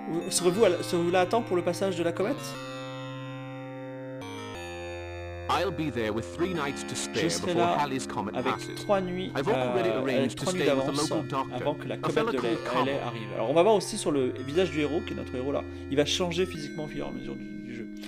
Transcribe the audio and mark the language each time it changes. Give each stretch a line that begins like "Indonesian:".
French: Serez-vous là à temps pour le passage de la comète?
English: I'll be there with three nights to spare before Halley's comet passes.
French: Trois nuits d'avance avant que la comète de Halley arrive. Alors on va voir aussi sur le visage du héros, qui est notre héros là. Il va changer physiquement au fur et à mesure du jeu.